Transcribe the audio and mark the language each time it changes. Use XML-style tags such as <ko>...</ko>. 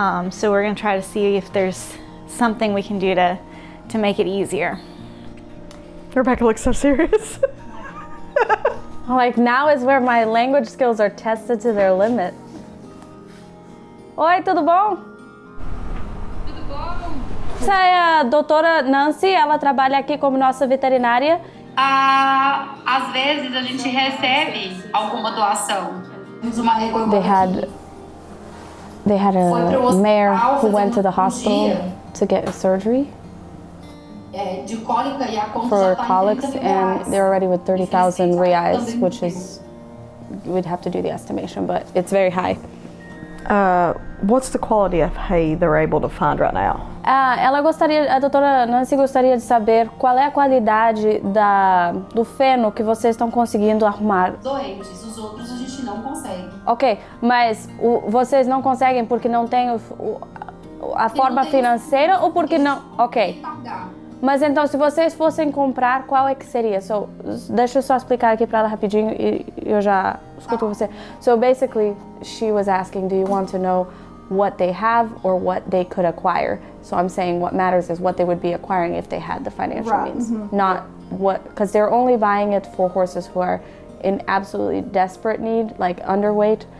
<en>So we're gonna try to see if there's something we can do to make it easier. Rebecca looks so serious. Like, now is where my language skills are tested to their limit.</en> <pt>Oi, tudo bom? Essa é a doutora Nancy, ela trabalha aqui como nossa veterinária. Às vezes a gente recebe alguma doação. Temos uma regra.</pt> <en>They had a mare who went to the hospital to get a surgery.</en> <pt>De cólica, e a conta</pt> <en>for colics, and they're already with 30,000 reais, which is, we'd have to do the estimation, but it's very high. What's the quality of hay they're able to find right now?</en> <pt>A doutora Nancy gostaria de saber qual é a qualidade do feno que vocês estão conseguindo arrumar. Doentes, os outros a gente não consegue. Ok, mas vocês não conseguem porque não tem a forma financeira ou porque não... Ok. Mas então, se vocês fossem comprar, qual é que seria? So, deixa eu só explicar aqui para ela rapidinho e eu já escuto você.</pt> <en>So, basically, she was asking, do you want to know what they have or what they could acquire? So, I'm saying what matters is what they would be acquiring if they had the financial means. Mm-hmm. Not what, because they're only buying it for horses who are in absolutely desperate need, like underweight.</en>